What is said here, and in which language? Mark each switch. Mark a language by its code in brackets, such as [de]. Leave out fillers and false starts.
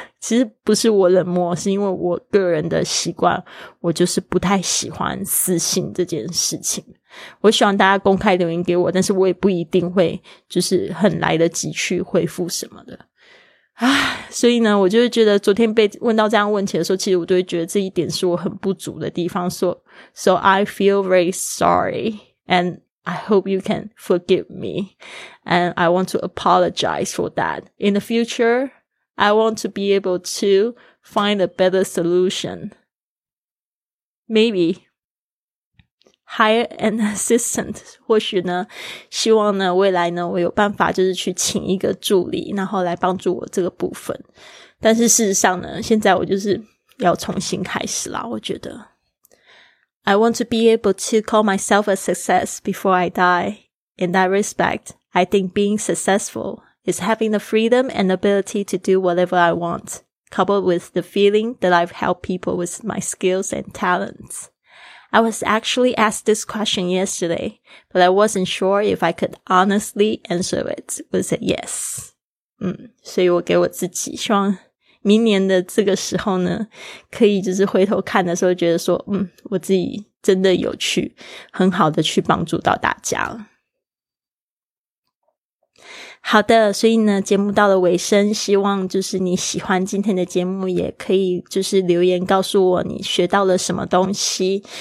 [zh] 其实不是我冷漠，是因为我个人的习惯，我就是不太喜欢私信这件事情。我希望大家公开留言给我，但是我也不一定会就是很来得及去回复什么的啊。所以呢我就觉得昨天被问到这样问题的时候，其实我就会觉得这一点是我很不足的地方。 [en] So I feel very sorry andI hope you can forgive me, and I want to apologize for that. In the future, I want to be able to find a better solution. Maybe hire an assistant. 或许呢，希望呢，未来呢，我有办法就是去请一个助理，然后来帮助我这个部分。但是事实上呢，现在我就是要重新开始啦，我觉得。 I want to be able to call myself a success before I die. In that respect, I think being successful is having the freedom and ability to do whatever I want, coupled with the feeling that I've helped people with my skills and talents. I was actually asked this question yesterday, but I wasn't sure if I could honestly answer it with a yes. [zh] 所以我给我自己希望明年的这个时候呢，可以就是回头看的时候觉得说，我自己真的有去很好的去帮助到大家。好的，所以呢节目到了尾声，希望就是你喜欢今天的节目，也可以就是留言告诉我你学到了什么东西。